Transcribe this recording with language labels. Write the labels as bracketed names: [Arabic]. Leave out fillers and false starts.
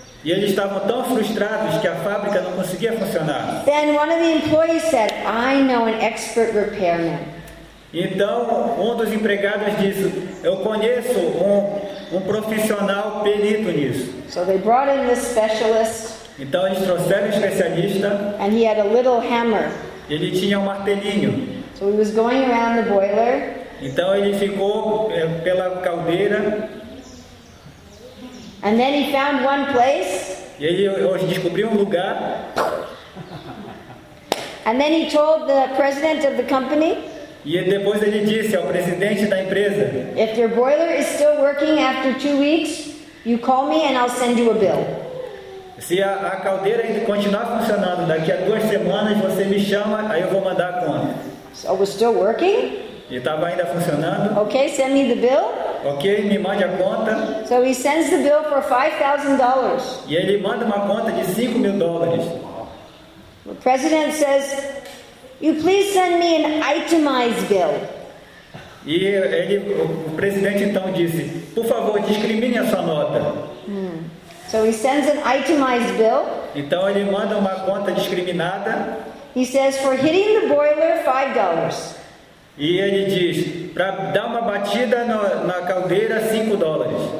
[Portuguese] E eles estavam tão frustrados que a fábrica não conseguia funcionar. [English] Then one of the employees said, "I know an expert repairman." [Portuguese] Então, um dos empregados disse, "Eu conheço um profissional perito nisso." [English] So they brought in this specialist. [Portuguese] Então eles trouxeram um especialista. [English] And he had a little hammer. [Portuguese] Ele tinha um martelinho. [English] So he was going around the boiler. [Portuguese] Então ele ficou pela caldeira. [English] And then he found one place. [Portuguese] E ele descobriu um lugar. [English] And then he told the president of the company. [Portuguese] E depois ele disse ao presidente da empresa. [English] If your boiler is still working after 2 weeks, you call me and I'll send you a bill. [Portuguese] Se a caldeira continuar funcionando daqui a 2 semanas, você me chama, aí eu vou mandar a conta. [English] So it was still working? [Portuguese] E estava ainda funcionando. [English] Okay, send me the bill. [Portuguese] Ok, me mande a conta. [English] So he sends the bill for $5,000. [Portuguese] E ele manda uma conta de $5,000. [English] The president says, "You please send me an itemized bill." [Portuguese] E o presidente então disse, "Por favor, discrimine a sua nota." [English] So he sends an itemized bill. [Portuguese] Então ele manda uma conta discriminada. [English] He says, "For hitting the boiler, $5." [Portuguese] E ele diz, para dar uma batida na caldeira, $5.